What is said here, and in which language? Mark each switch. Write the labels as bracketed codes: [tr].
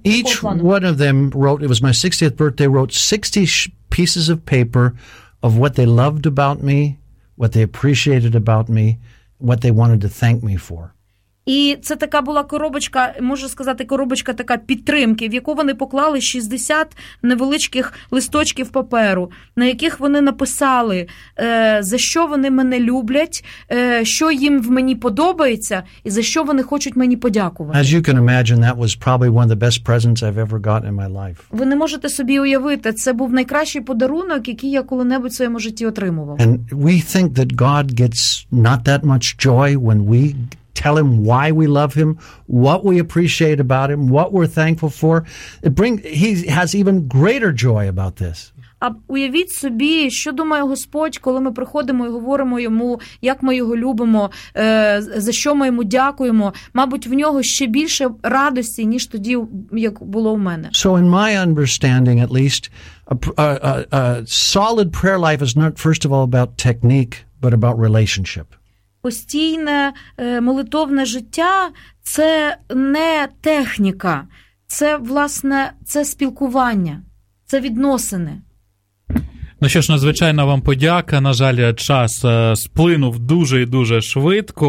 [en] Each one of them wrote, it was my 60th birthday, wrote 60 pieces of paper of what they loved about me, what they appreciated about me, what they wanted to thank me for. [uk] І це така була коробочка, можна сказати, коробочка така підтримки, в яку вони поклали 60 невеличких листочків паперу, на яких вони написали, за що вони мене люблять, що їм в мені подобається і за що вони хочуть мені подякувати. [en] As you can imagine, that was probably one of the best presents I've ever gotten in my life. [uk] Ви не можете собі уявити, це був найкращий подарунок, який я коли-небудь в своєму житті отримував. [en] And we think that God gets not that much joy when we tell him why we love him, what we appreciate about him, what we're thankful for. He has even greater joy about this. [uk] А уявіть собі, що думає Господь, коли ми приходимо і говоримо йому, як ми його любимо, за що ми йому дякуємо. Мабуть, в нього ще більше радості, ніж тоді, як було у мене. [en] So in my understanding, at least, a solid prayer life is not, first of all, about technique, but about relationship. [uk] Постійне молитовне життя – це не техніка, це, власне, це спілкування, це відносини. Ну що ж, надзвичайна вам подяка. На жаль, час сплинув дуже і дуже швидко.